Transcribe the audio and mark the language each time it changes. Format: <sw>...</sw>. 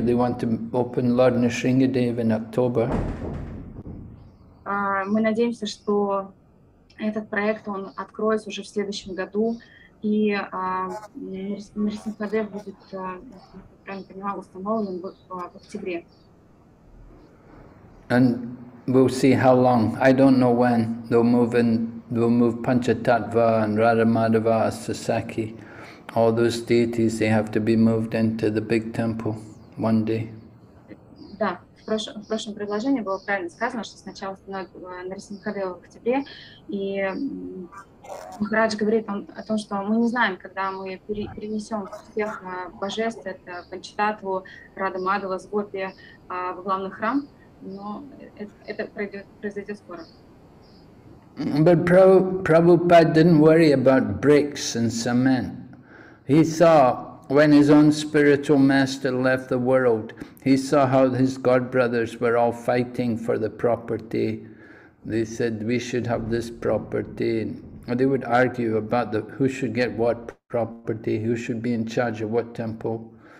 <en>They want to open Lord Nrisingadev in October.</en> <ru>Мы надеемся, что этот проект он откроется уже в следующем году, и Нрисингхадев будет, правильно понимаю, установлен в октябре.</ru> <en>And we'll see how long. I don't know when they'll move in. They'll move Panchatattva and Radha Madhava, Sasaki. All those deities, they have to be moved into the big temple one day.</en> <ru>Да, в прошлом предложении было правильно сказано, что сначала установят Нарасимхадева в октябре, и Махарадж говорит о том, что мы не знаем, когда мы перенесем всех божеств, это Панчитатву, Рада Мадхава, Сгопи в главный храм, но это произойдет скоро.</ru> <en>But Prabhupada didn't worry about bricks and cement. He saw, when his own spiritual master left the world, he saw how his godbrothers were all fighting for the property. They said, we should have this property. And they would argue about the who should get what property, who should be in charge of what temple.</en>